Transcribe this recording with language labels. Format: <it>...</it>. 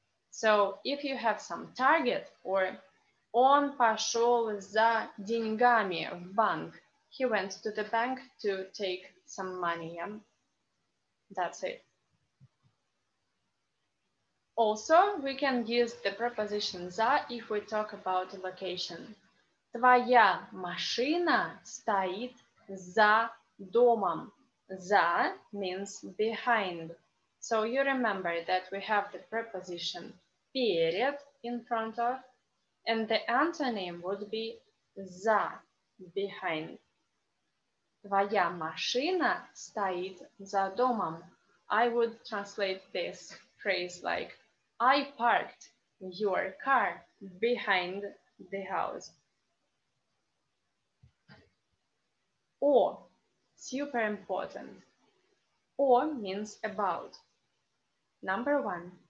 <en>So if you have some target, or</en> <ru>он пошел за деньгами в банк.</ru> <en>He went to the bank to take some money. Yeah? That's it. Also, we can use the preposition за if we talk about location.</en> <ru>Твоя машина стоит за домом.</ru> <en>За means behind. So you remember that we have the preposition перед in front of, and the antonym would be за, behind.</en> <ru>Твоя машина стоит за домом.</ru> <en>I would translate this phrase like I parked your car behind the house. Or super important. Or means about. Number one.</en>